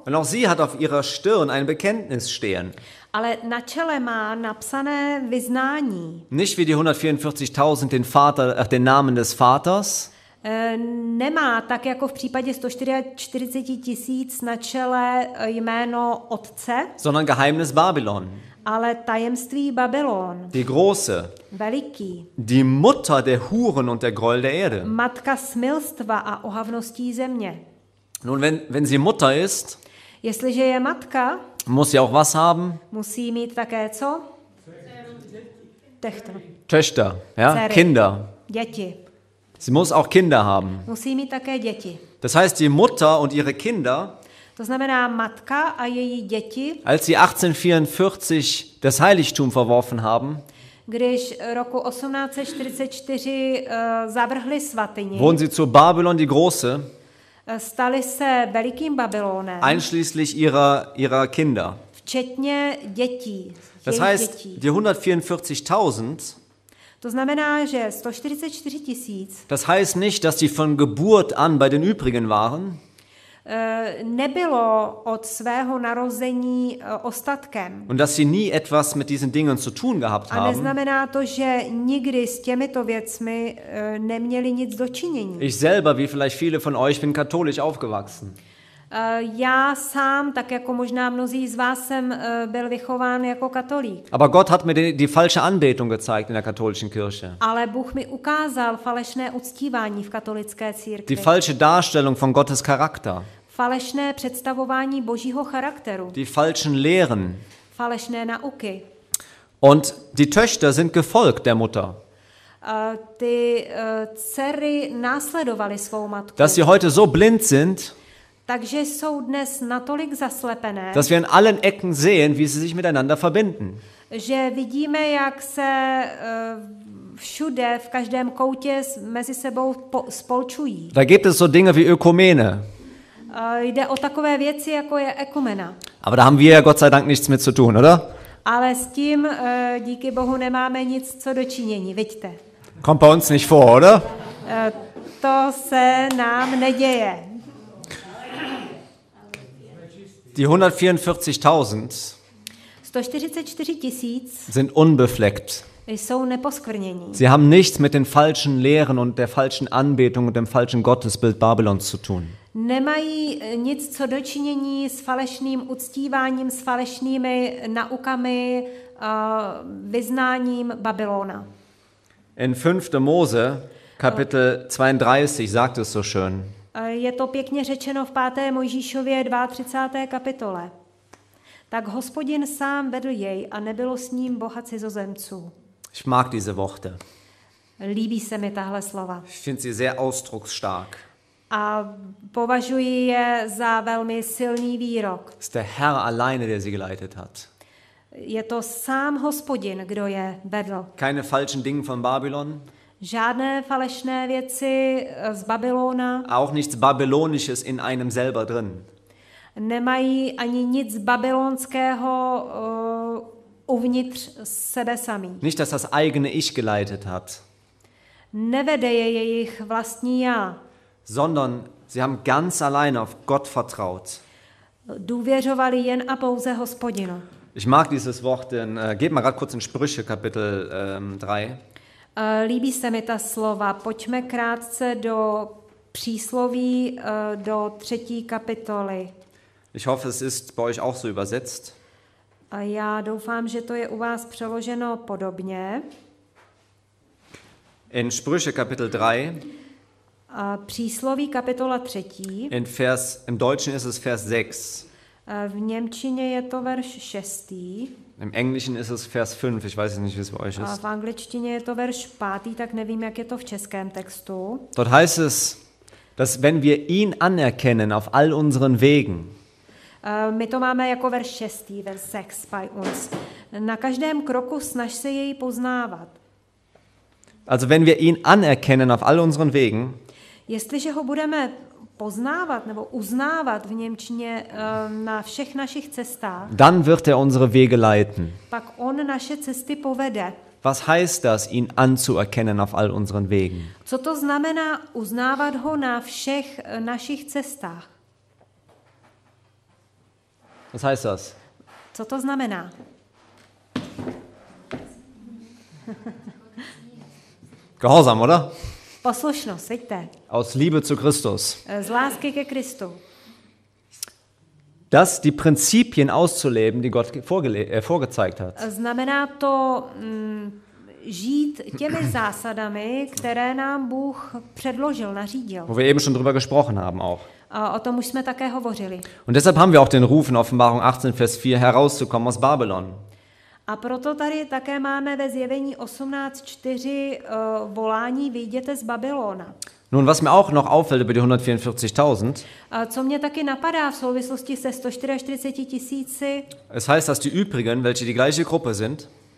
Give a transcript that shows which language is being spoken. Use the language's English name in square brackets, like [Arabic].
[German] Und auch sie hat auf ihrer Stirn ein Bekenntnis stehen. [Czech] Ale na čele má napsané vyznání. [German] Nicht wie die 144.000 den Namen des Vaters. [Czech] Nemá tak jako v případě 144.000 na čele jméno otce. [German] Sondern Geheimnis Babylon. [Czech] Ale tajemství Babylon. [German] Die große. [Czech] Veliký. [German] Die Mutter der Huren und der Gräuel der Erde. [Czech] Matka smilstva a ohavností země. [German] Nun, wenn sie Mutter ist, [Czech] jestliže je matka, [German] muss sie auch was haben? [Czech] Musí mít také co? [German] Töchter. Töchter, ja, Zery. Kinder. [Czech] Děti. [German] Sie muss auch Kinder haben. [Czech] Musí mít také děti. [German] Das heißt, die Mutter und ihre Kinder. [Czech] To znamená matka a její děti. [German] Als sie 1844 das Heiligtum verworfen haben. [Czech] Když roku 1844 zavrhli svatyni. [German] Wurden sie zu Babylon die Große. [Czech] Stali se velikým Babylonem. [German] Einschließlich ihrer Kinder. [Czech] Včetně dětí. [German] Das heißt, die 144.000. [Czech] To znamená, že 144 tisíc. [German] Das heißt nicht, dass die von Geburt an bei den übrigen waren. [Czech] Nebylo od svého narození ostatkem. [German] Und dass sie nie etwas mit diesen Dingen zu tun gehabt haben. [Czech] A neznamená to, že nikdy s těmito věcmi neměli nic dočinění. [German] Ich selber, wie vielleicht viele von euch, bin katholisch aufgewachsen. [Czech] Já sám, tak jako možná mnozí z vás, jsem byl vychován jako katolík. [German] Aber Gott hat mir die falsche Anbetung gezeigt in der katholischen Kirche. [Czech] Ale Bůh mi ukázal falešné uctívání v katolické církvi. [German] Die falsche Darstellung von Gottes Charakter. [Czech] Falešné představování Božího charakteru. [German] Die falschen Lehren. [Czech] Falešné nauky. [German] Und die Töchter sind gefolgt der Mutter. [Czech] Ty dcery následovaly svou matku. [German] Dass sie heute so blind sind. [Czech] Takže jsou dnes natolik zaslepené. [German] Dass wir in allen Ecken sehen, wie sie sich miteinander verbinden. [Czech] Že vidíme, jak se všude, v každém koutě mezi sebou spolčují. [German] Da gibt es so Dinge wie Ökumene. [Czech] Jde o takové věci, jako je ekumena. [German] Aber da haben wir ja Gott sei Dank nichts mit zu tun, oder? [Czech] Ale s tím díky Bohu nemáme nic co dočinění, vidíte. [German] Kommt bei uns nicht vor, oder? [Czech] To se nám neděje. [German] Die 144.000 sind unbefleckt. [Czech] Jsou neposkvrnění. [German] Sie haben nichts mit den falschen Lehren und der falschen Anbetung und dem falschen Gottesbild Babylons zu tun. [Czech] Nemají nic co dočinění s falešným uctíváním, s falešnými naukami, vyznáním Babylona. [German] In 5. Mose, Kapitel 32, sagt es so schön. [Czech] Je to pěkně řečeno v 5. Mojžíšově 32. kapitole. Tak Hospodin sám vedl jej a nebylo s ním Boha cizozemců. [German] Ich mag diese Worte. [Czech] Líbí se mi tahle slova. [German] Ich finde sie sehr ausdrucksstark. [Czech] A považuji je za velmi silný výrok. [German] Es ist der Herr alleine, der sie geleitet hat. [Czech] Je to sám Hospodin, kdo je vedl. [German] Keine falschen Dinge von Babylon. [Czech] Žádné falešné věci z Babylona. [German] Auch nichts babylonisches in einem selber drin. [Czech] Nemají ani nic babylonského uvnitř sebe samý. [German] Nicht, dass das eigene Ich geleitet hat. [Czech] Nevede je jejich vlastní já. [German] Sondern sie haben ganz allein auf Gott vertraut. [Czech] Důvěřovali jen a pouze Hospodinu. [German] Ich mag dieses Wort, denn geht mal gerade kurz in Sprüche Kapitel 3. [Czech] Líbí se mi ta slova. Pojďme krátce do přísloví do 3. kapitoly. [German] Ich hoffe, es ist bei euch auch so übersetzt. [Czech] A já doufám, že to je u vás přeloženo podobně. [German] In Sprüche Kapitel 3. [Czech] Přísloví kapitola 3. [German] Im Deutschen ist es Vers 6. [Czech] V němčině je to verš 6. [German] Im Englischen ist es Vers 5. Ich weiß nicht, wie es bei euch ist. [Czech] V angličtině je to verš 5., tak nevím, jak je to v českém textu. [German] Dort heißt es, dass wenn wir ihn anerkennen auf all unseren Wegen. [Czech] My to máme jako verš 6., verš 6 [German] bei uns. [Czech] Na každém kroku snaž se jej poznávat. [German] Also wenn wir ihn anerkennen auf all unseren Wegen. [Czech] Jestliže ho budeme poznávat nebo uznávat v němčině na všech našich cestách. [German] Dann wird er unsere Wege leiten. [Czech] Pak on naše cesty povede. [German] Was heißt das, ihn anzuerkennen auf all unseren Wegen? [Czech] Co to znamená uznávat ho na všech našich cestách? [German] Was heißt das? [Czech] Co to znamená? [German] Gehorsam, oder? [Czech] Poslušnost, vidíte. [German] Aus Liebe zu Christus. [Czech] Z lásky ke Kristu. [German] Das die Prinzipien auszuleben, die Gott vorgezeigt hat. [Czech] Znamená to žít těmi zásadami, které nám Bůh předložil, nařídil. [German] Wo wir eben schon drüber gesprochen haben auch. [Czech] O tom už jsme také hovořili. [German] Und deshalb haben wir auch den Ruf in Offenbarung 18 Vers 4 herauszukommen aus Babylon. [Czech] A proto tady také máme ve zjevení 18:4 volání vyjděte z Babylona. [German] Nun, was mir auch noch auffällt über die 144.000. [Czech] Co mě taky napadá v souvislosti se 144 000. [German] Es heißt, dass die übrigen, welche die gleiche Gruppe sind.